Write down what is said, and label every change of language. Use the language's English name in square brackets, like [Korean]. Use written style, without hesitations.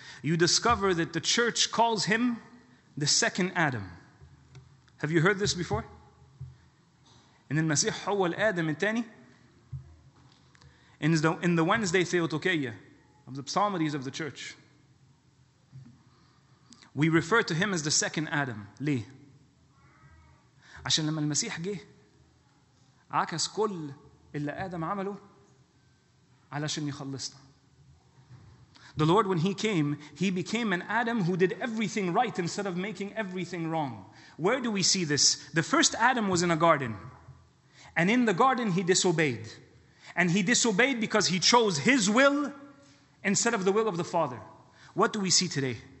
[English] You discover that the church calls him the second Adam. Have you heard this before? In the Masih Hawal Adam Itani, in the Wednesday Theotokia of the Psalmodies of the church, we refer to him as the second Adam. Li. [Arabic] عشان لما المسيح جه عكس كل اللي آدم عمله علشان يخلصنا. [English] The Lord, when he came, he became an Adam who did everything right instead of making everything wrong. Where do we see this? The first Adam was in a garden. And in the garden, he disobeyed. And he disobeyed because he chose his will instead of the will of the Father. What do we see today?